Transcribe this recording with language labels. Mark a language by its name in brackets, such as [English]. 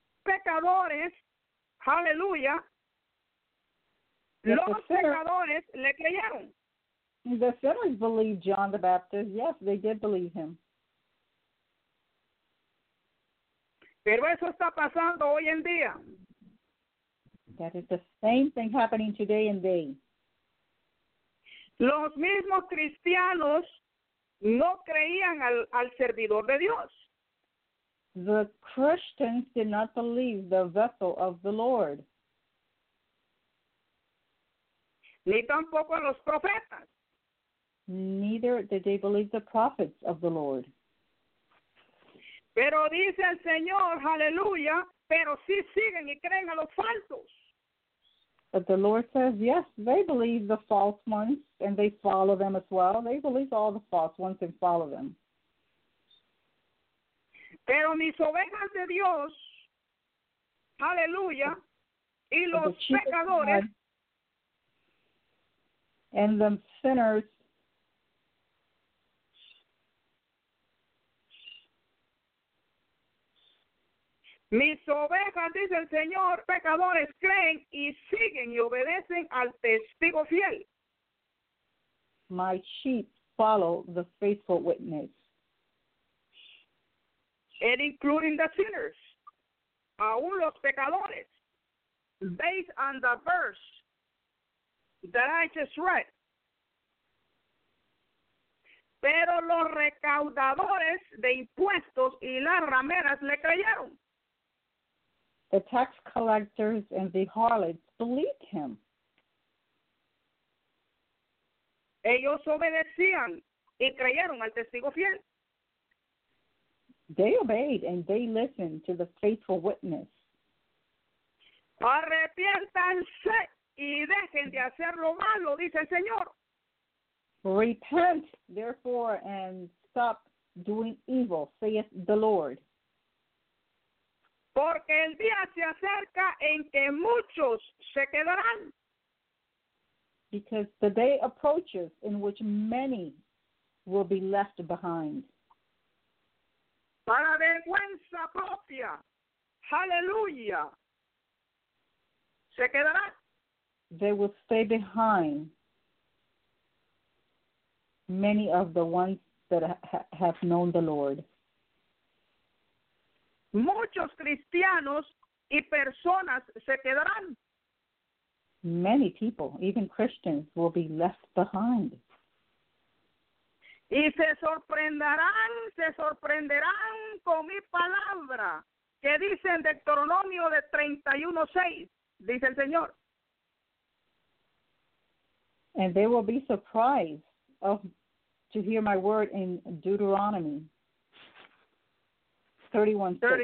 [Spanish] Pecadores, aleluya. Los pecadores le creyeron. [English] The sinners believed John the Baptist. Yes, they did believe him. [Spanish] Pero eso está pasando hoy en día. [English] That is the same thing happening today and day. [Spanish] Los mismos cristianos no creían al servidor de Dios. [English] The Christians did not believe the vessel of the Lord. [Spanish] Ni tampoco a los profetas. [English] Neither did they believe the prophets of the Lord. [Spanish] Pero dice el Señor, aleluya, pero sí siguen y creen a los falsos. [English] But the Lord says, yes, they believe the false ones, and they follow them as well. They believe all the false ones and follow them. [Spanish] Pero mis ovejas de Dios, aleluya, y los pecadores. [English] God, and the sinners. [Spanish] Mis ovejas, dice el Señor, pecadores, creen y siguen y obedecen al testigo fiel. [English] My sheep follow the faithful witness. And including the sinners, [Spanish] aún los pecadores, [English] based on the verse that I just read. [Spanish] Pero los recaudadores de impuestos y las rameras le creyeron. [English] The tax collectors and the harlots believed him. [Spanish] Ellos obedecían y creyeron al testigo fiel. [English] They obeyed and they listened to the faithful witness. [Spanish] Arrepiéntanse y dejen de hacer lo malo, dice el Señor. [English] Repent, therefore, and stop doing evil, saith the Lord. [Spanish] Porque el día se acerca en que muchos se quedarán. [English] Because the day approaches in which many will be left behind. [Spanish] Para vergüenza propia. Hallelujah. Se quedarán. [English] They will stay behind. Many of the ones that have known the Lord. [Spanish] Muchos cristianos y personas se quedarán. [English] Many people, even Christians, will be left behind. [Spanish] Y se sorprenderán con mi palabra, que dice en Deuteronomio de 31:6, dice el Señor. [English] And they will be surprised to hear my word in Deuteronomy 31:6.